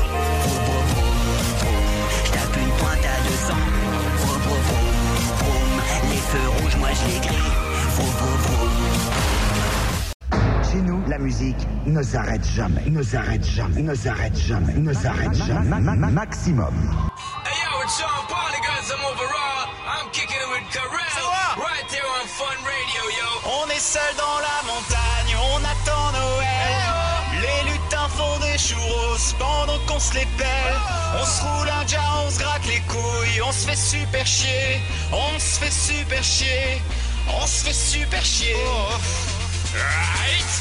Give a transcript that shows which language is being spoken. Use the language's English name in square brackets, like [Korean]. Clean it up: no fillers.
[French] Vroom, vroom, vroom, vroom. Je tape une pointe à 200. Vroom, vroom, vroom, vroom. Les feux rouges, moi je les gris. Vroom, vroom, vroom. Chez nous, la musique ne s'arrête jamais, ne s'arrête jamais, ne s'arrête jamais, ne s'arrête jamais, maximum. [English] Hey yo, it's Sean Paul, the guys, I'm overall, I'm kicking it with Karel, right there on Fun Radio, yo. [French] On est seul dans la montagne, on attend Noël, hey, oh. Les lutins font des churros pendant qu'on se les pèle, oh. On se roule un jar, on se gratte les couilles, on se fait super chier, on se fait super chier, on se fait super chier, oh. Right.